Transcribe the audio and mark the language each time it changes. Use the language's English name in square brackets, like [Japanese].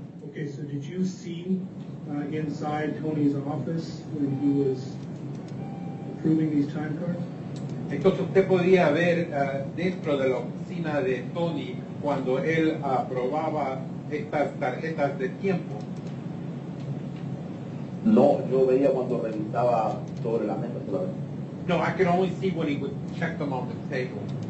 [English] Okay, so did you see inside Tony's office when he was approving these time cards? [Spanish] Entonces usted podía ver dentro de la oficina de Tony cuando él aprobaba estas tarjetas de tiempo. No, yo veía cuando revisaba sobre la mesa solamente. [English] No, I could only see when he would check them on the table.